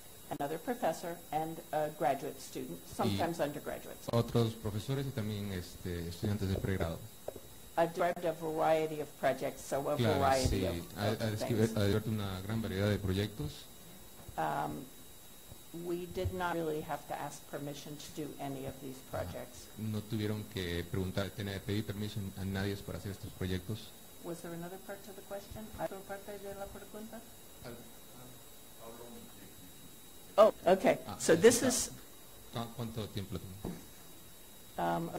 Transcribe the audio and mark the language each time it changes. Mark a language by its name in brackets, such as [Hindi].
[English] Another professor and a graduate student, sometimes undergraduates. [Spanish] Otros profesores y también este, estudiantes de pregrado. [English] I've described a variety of projects, so a claro, variety [Spanish] sí. [English] of things. [Spanish] Ha descrito una gran variedad de proyectos. [English] We did not really have to ask permission to do any of these projects. [Spanish] No tuvieron que preguntar, pedir permiso a nadie para hacer estos proyectos. [English] Was there another part to the question? [Spanish] ¿Otra parte de la pregunta? [English] Oh, okay. So this is... [Spanish] ¿Cuánto tiempo lo tengo?